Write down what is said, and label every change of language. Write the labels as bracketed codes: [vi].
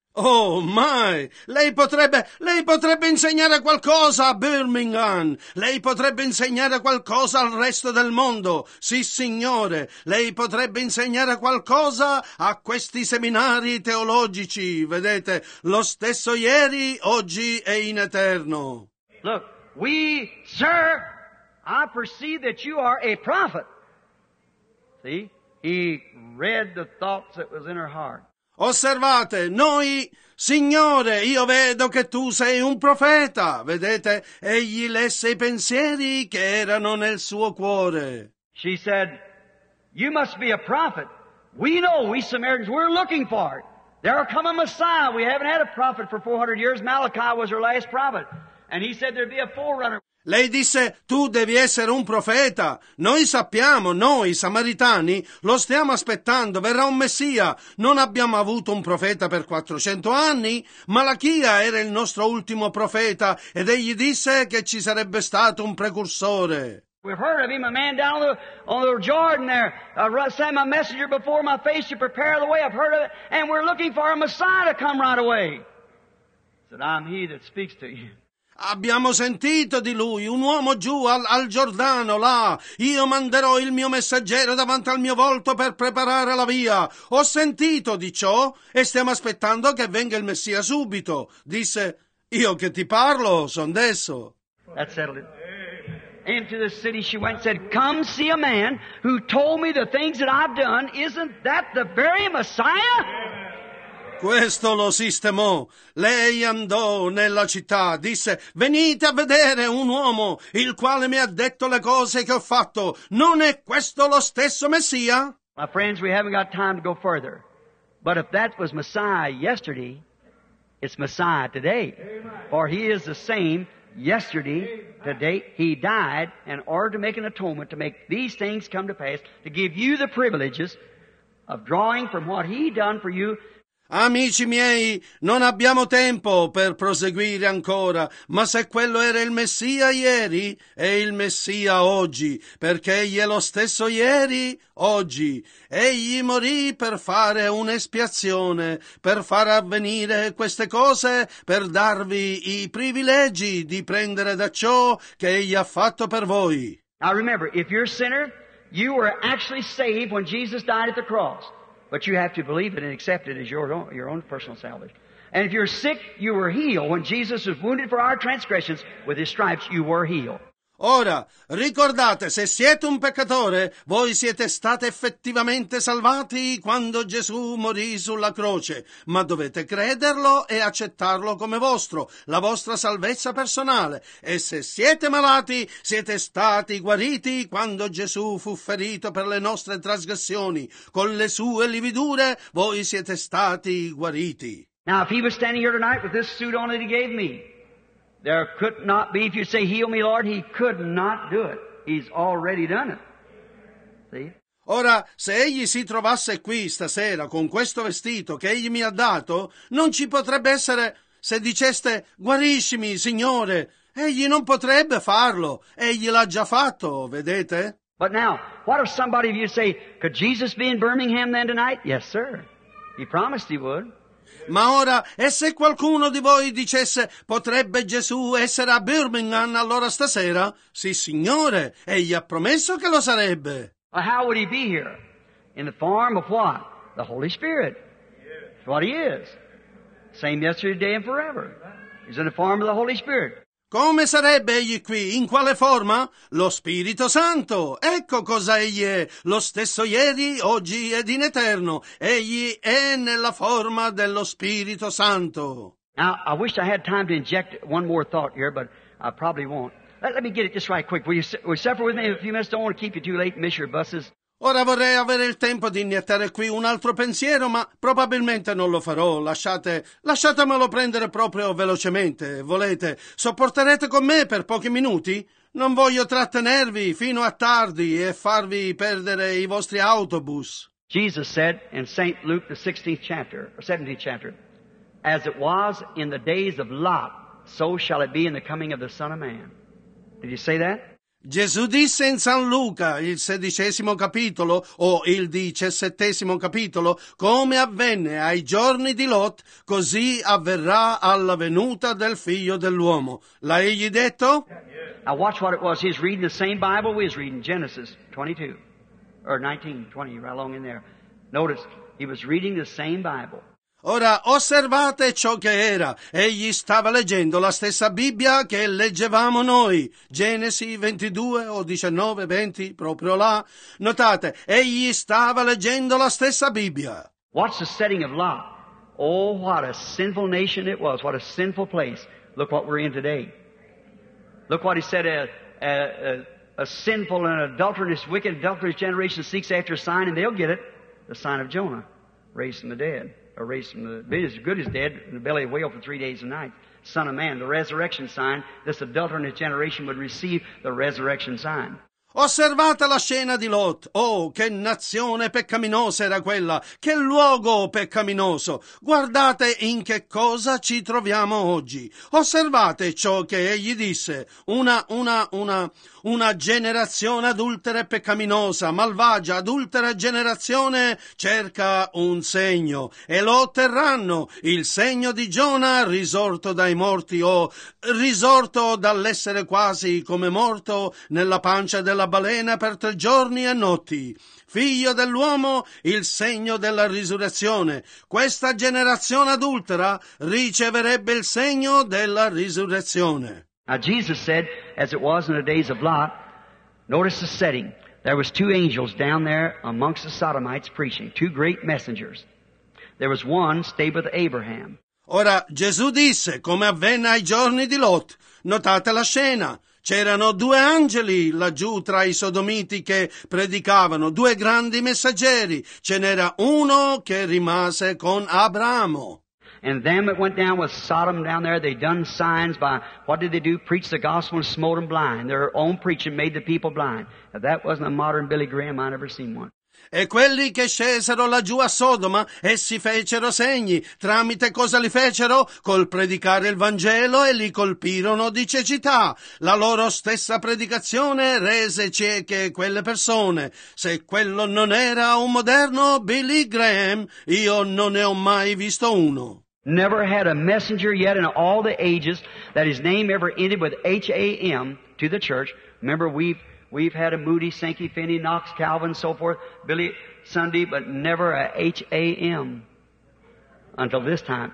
[en] Oh my, [it] lei potrebbe insegnare qualcosa a Birmingham, lei potrebbe insegnare qualcosa al resto del mondo, sì signore, lei potrebbe insegnare qualcosa a questi seminari teologici, vedete, lo stesso ieri, oggi e in eterno. [en] Look, we, sir, I perceive that you are a prophet. See, he read the thoughts that was in her heart. [it] Osservate, noi, Signore, io vedo che tu sei un profeta. Vedete, egli lesse i pensieri che erano nel suo cuore. [en] She said, you must be a prophet. We know, we Samaritans, we're looking for it. There will come a Messiah. We haven't had a prophet for 400 years. Malachi was her last prophet. And he said there'd be a forerunner. [it] Lei disse, tu devi essere un profeta. Noi sappiamo, noi samaritani, lo stiamo aspettando, verrà un Messia. Non abbiamo avuto un profeta per 400 anni. Malachia era il nostro ultimo profeta ed egli disse che ci sarebbe stato un precursore. [en] We've heard of him, a man down on the Jordan there. Sent my messenger before my face to prepare the way. I've heard of it. And we're looking for a Messiah to come right away. He said, I'm he that speaks to you. [it] Abbiamo sentito di lui, un uomo giù al Giordano, là. Io manderò il mio messaggero davanti al mio volto per preparare la via. Ho sentito di ciò e stiamo aspettando che venga il Messia subito. Disse, io che ti parlo, son desso. [en] That settled it. Into the city she went and said, come see a man who told me the things that I've done. Isn't that the very Messiah? [it] Questo lo sistemò. Lei andò nella città, disse, venite a vedere un uomo il quale mi ha detto le cose che ho fatto. Non è questo lo stesso Messia? [en] My friends, we haven't got time to go further. But if that was Messiah yesterday, it's Messiah today. For he is the same yesterday, today. He died in order to make an atonement, to make these things come to pass, to give you the privileges of drawing from what he done for you. [it] Amici miei, non abbiamo tempo per proseguire ancora, ma se quello era il Messia ieri, è il Messia oggi, perché egli è lo stesso ieri, oggi. Egli morì per fare un'espiazione, per far avvenire queste cose, per darvi i privilegi di prendere da ciò che egli ha fatto per voi. [en] Now remember, if you're a sinner, you were actually saved when Jesus died at the cross. But you have to believe it and accept it as your own personal salvation. And if you're sick, you were healed. When Jesus was wounded for our transgressions, with his stripes, you were healed. [it] Ora, ricordate, se siete un peccatore, voi siete stati effettivamente salvati quando Gesù morì sulla croce. Ma dovete crederlo e accettarlo come vostro, la vostra salvezza personale. E se siete malati, siete stati guariti quando Gesù fu ferito per le nostre trasgressioni. Con le sue lividure, voi siete stati guariti. [en] Now, if he was standing here tonight with this suit on that he gave me, there could not be, if you say, heal me, Lord, he could not do it. He's already done it. See? [it] Ora, se egli si trovasse qui stasera con questo vestito che egli mi ha dato, non ci potrebbe essere, se diceste, guariscimi, Signore. Egli non potrebbe farlo. Egli l'ha già fatto, vedete? [en] But now, what if somebody of you say, could Jesus be in Birmingham then tonight? Yes, sir. He promised he would. [it] Ma ora, e se qualcuno di voi dicesse, potrebbe Gesù essere a Birmingham allora stasera? Sì, Signore, egli ha promesso che lo sarebbe. [en] Well, how would he be here? In the form of what? The Holy Spirit. That's what he is. Same yesterday, today and forever. He's in the form of the Holy Spirit. [it] Come sarebbe egli qui? In quale forma? Lo Spirito Santo. Ecco cosa egli è. Lo stesso ieri, oggi ed in eterno. Egli è nella forma dello Spirito Santo. [en] Now, I wish I had time to inject one more thought here, but I probably won't. Let me get it just right quick. Will you suffer with me a few minutes? Don't want to keep you too late and miss your buses. [it] Ora vorrei avere il tempo di iniettare qui un altro pensiero, ma probabilmente non lo farò. Lasciatemelo prendere proprio velocemente. Volete? Sopporterete con me per pochi minuti? Non voglio trattenervi fino a tardi e farvi perdere i vostri autobus. [en] Jesus said in St. Luke the 16th chapter, or 17th chapter, as it was in the days of Lot, so shall it be in the coming of the Son of Man. Did you say that? [it] Gesù disse in San Luca, il 16° capitolo, o il 17° capitolo, come avvenne ai giorni di Lot, così avverrà alla venuta del figlio dell'uomo. L'ha egli detto? [en] Now watch what it was. He's reading the same Bible we was reading, Genesis 22, or 19, 20, right along in there. Notice, he was reading the same Bible. [it] Ora osservate ciò che era. Egli stava leggendo la stessa Bibbia che leggevamo noi. Genesi 22 o 19, 20, proprio là. Notate, egli stava leggendo la stessa Bibbia. [en] What's the setting of Lot? Oh, what a sinful nation it was. What a sinful place. Look what we're in today. Look what he said. A sinful and adulterous, wicked, adulterous generation seeks after a sign, and they'll get it. The sign of Jonah, raised from the dead. Or raised from the as good as dead in the belly of a whale for 3 days and nights. Son of man, the resurrection sign. This adulterous generation would receive the resurrection sign. [it] Osservate la scena di Lot. Oh, che nazione peccaminosa era quella! Che luogo peccaminoso! Guardate in che cosa ci troviamo oggi. Osservate ciò che egli disse. Una generazione adultera e peccaminosa, malvagia, adultera generazione, cerca un segno. E lo otterranno, il segno di Giona, risorto dai morti, o risorto dall'essere quasi come morto nella pancia della balena per 3 giorni e notti. Figlio dell'uomo, il segno della risurrezione. Questa generazione adultera riceverebbe il segno della risurrezione. [en] Now Jesus said, as it was in the days of Lot, notice the setting. There was 2 angels down there amongst the Sodomites preaching, 2 great messengers. There was one stayed with Abraham. [it] Ora Gesù disse, come avvenne ai giorni di Lot. Notate la scena. C'erano 2 angeli laggiù tra i sodomiti che predicavano, 2 grandi messaggeri. Ce n'era uno che rimase con Abramo. [en] And them that went down with Sodom down there, they done signs by, what did they do? Preach the gospel and smote them blind. Their own preaching made the people blind. If that wasn't a modern Billy Graham, I never seen one. [it] E quelli che scesero laggiù a Sodoma, essi fecero segni. Tramite cosa li fecero? Col predicare il Vangelo e li colpirono di cecità. La loro stessa predicazione rese cieche quelle persone. Se quello non era un moderno Billy Graham, io non ne ho mai visto uno. [en] Never had a messenger yet in all the ages that his name ever ended with H-A-M to the church. Remember, we've had a Moody, Sankey, Finney, Knox, Calvin, so forth, Billy Sunday, but never a H-A-M until this time.